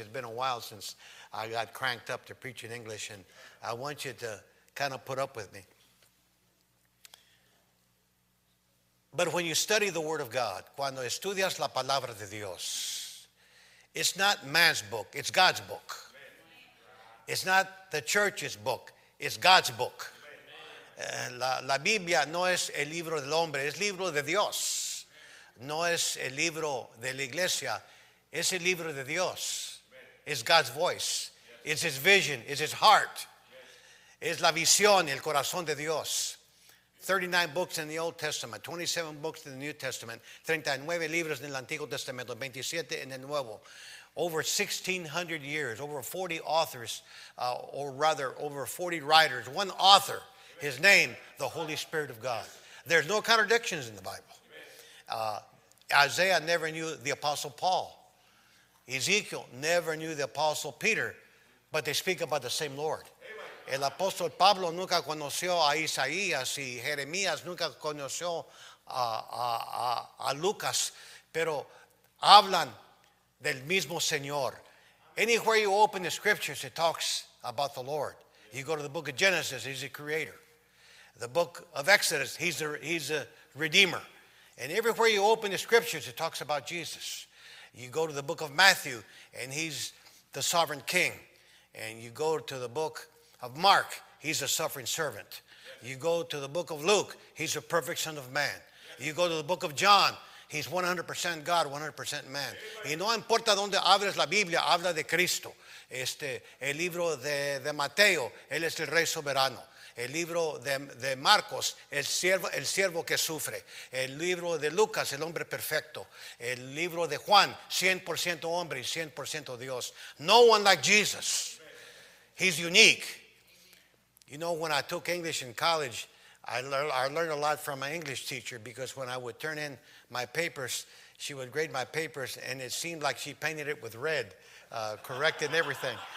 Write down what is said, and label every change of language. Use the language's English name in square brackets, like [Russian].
[English] It's been a while since I got cranked up to preach in English, and I want you to kind of put up with me. But when you study the Word of God, [Spanish] cuando estudias la palabra de Dios, [English] it's not man's book, it's God's book. It's not the church's book, it's God's book. [Spanish] la Biblia no es el libro del hombre, es libro de Dios. No es el libro de la iglesia, es el libro de Dios. [English] It's God's voice. It's His vision. It's His heart. [Spanish] Es la visión, el corazón de Dios. [English] 39 books in the Old Testament, 27 books in the New Testament, [Spanish] 39 libros en el Antiguo Testamento, 27 en el Nuevo. [English] Over 1600 years, over 40 authors, over 40 writers, one author, his name, the Holy Spirit of God. There's no contradictions in the Bible. Isaiah never knew the Apostle Paul. Ezekiel never knew the Apostle Peter, but they speak about the same Lord. [Spanish] El apóstol Pablo nunca conoció a Isaías y Jeremías nunca conoció a Lucas, pero hablan del mismo Señor. [English] Anywhere you open the scriptures, it talks about the Lord. You go to the book of Genesis, He's the creator. The book of Exodus, he's a redeemer. And everywhere you open the scriptures, it talks about Jesus. You go to the book of Matthew, and He's the sovereign king. And you go to the book of Mark, He's a suffering servant. You go to the book of Luke, He's a perfect son of man. You go to the book of John, He's 100% God, 100% man. [Spanish] Y no importa donde abres la Biblia, habla de Cristo. El libro de Mateo, Él es el rey soberano. El libro de Marcos, el siervo que sufre. El libro de Lucas, el hombre perfecto. El libro de Juan, 100% hombre y 100% Dios. [English] No one like Jesus. He's unique. You know, when I took English in college, I learned a lot from my English teacher, because when I would turn in my papers, she would grade my papers, and it seemed like she painted it with red, corrected everything.